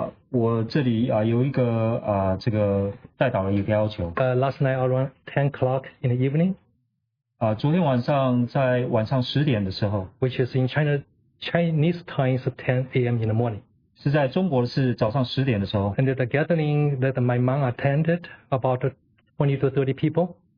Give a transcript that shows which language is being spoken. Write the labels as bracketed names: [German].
[Chinese] 我这里有一个代祷的一个要求。 [English] Last night around 10 o'clock in the evening. [Chinese] 昨天晚上在晚上10点的时候。 [English] Which is in China, Chinese time is 10 a.m. in the morning. [Chinese] 是在中国是早上10点的时候。 [English] And at the gathering that my mom attended, about 20 to 30 people.